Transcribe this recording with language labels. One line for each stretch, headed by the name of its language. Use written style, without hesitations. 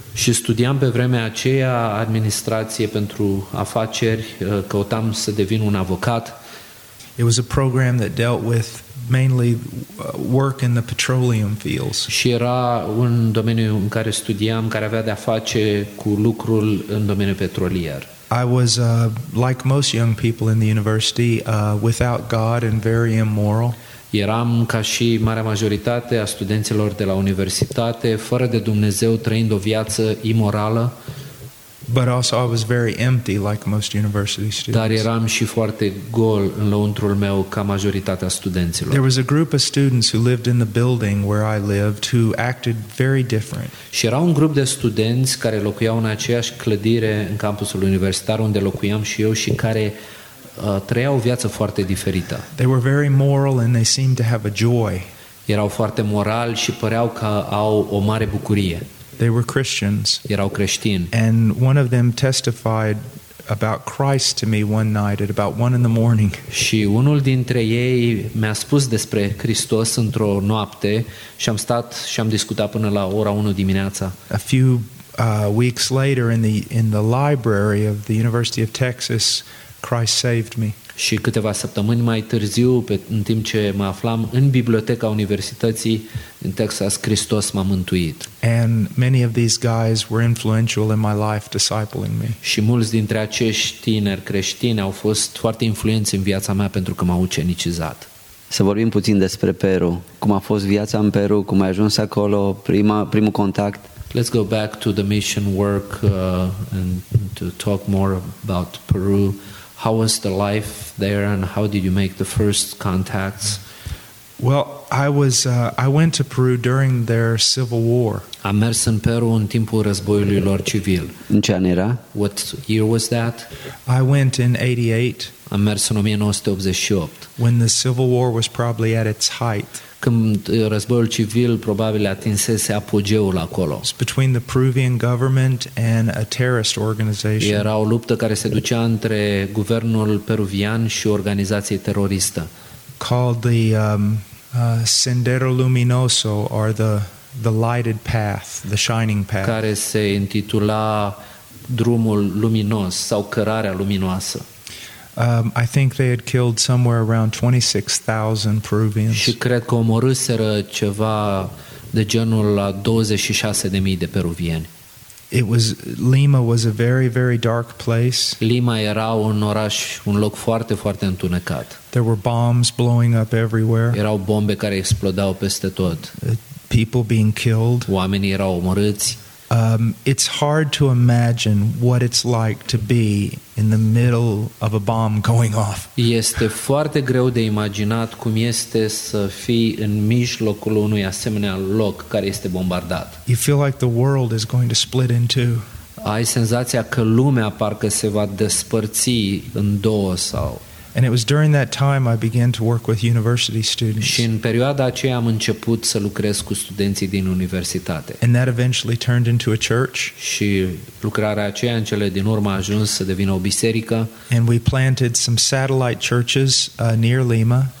Romanian: Și studiam pe vremea aceea administrație pentru afaceri, căutam să devin un avocat.
English: It was a program that dealt with mainly work in the petroleum fields.
Romanian: Și era un domeniu în care studiam care avea de a face cu lucrul în domeniul petrolier.
English: I was like most young people in the university, without God and very immoral.
Romanian: Eram ca și marea majoritate a studenților de la universitate, fără de Dumnezeu, trăind o viață imorală.
English: But also I was very empty like most university students.
Romanian: Dar eram și foarte gol în lăuntrul meu ca majoritatea studenților.
English: There was a group of students who lived in the building where I lived who acted very different.
Romanian: Și era un grup de studenți care locuiau în aceeași clădire în campusul universitar unde locuiam și eu și care trăiau o viață foarte diferită.
English: They were very moral and they seemed to have a joy.
Romanian: Erau foarte morali și păreau că au o mare bucurie.
English: They were Christians.
Romanian: Erau creștini.
English: And one of them testified about Christ to me one night at about 1 in the morning.
Romanian: Și unul dintre ei mi-a spus despre Hristos într-o noapte și am stat și am discutat până la ora 1 dimineața.
English: A few weeks later in the library of the University of Texas, Christ saved me.
Romanian: Și câteva săptămâni mai târziu, în timp ce mă aflam în biblioteca universității în Texas, Hristos m-a mântuit.
English: And many of these guys were influential in my life, discipling me.
Romanian: Și mulți dintre acești tineri creștini au fost foarte influenți în viața mea pentru că m-au ucenicizat. Să vorbim puțin despre Peru. Cum a fost viața în Peru? Cum ai ajuns acolo? Primul contact?
English: Let's go back to the mission work and to talk more about Peru. How was the life there and how did you make the first contacts? Well, I went to Peru during their civil war.
Romanian: Am mers în Peru în timpul războiului lor civil. În ce an era?
English: What year was that? I went in 88.
Romanian: Am mers în 1988.
English: When the civil war was probably at its height.
Romanian: Când războiul civil probabil atinsese apogeul acolo.
English: It's between the Peruvian government and a terrorist organization.
Romanian: Era o luptă care se ducea între guvernul peruvian și o organizație teroristă.
English: Called the Sendero Luminoso or the lighted path, the shining path.
Romanian: Care se intitula drumul luminos sau cărarea luminoasă.
English: I think they had killed somewhere around 26,000 Peruvians.
Romanian: Și cred că omorâseră ceva de genul la 26,000 de peruvieni.
English: Lima was a very, very dark place.
Romanian: Lima era un oraș, un loc foarte, foarte întunecat.
English: There were bombs blowing up everywhere.
Romanian: Erau bombe care explodau peste tot.
English: People being killed.
Romanian: Oamenii erau omorâți.
English: It's hard to imagine what it's like to be in the middle of a bomb going off.
Romanian: Este foarte greu de imaginat cum este să fii în mijlocul unui asemenea loc care este bombardat.
English: You feel like the world is going to split in two.
Romanian: Ai senzația că lumea parcă se va despărți în două sau.
English: And it was during that time I began to work with university students.
Romanian: Și în perioada aceea am început să lucrez cu studenții din universitate.
English: And that eventually turned into a church.
Romanian: Și lucrarea aceea în cele din urmă a ajuns să devină o biserică.
English: And we planted some satellite churches near Lima.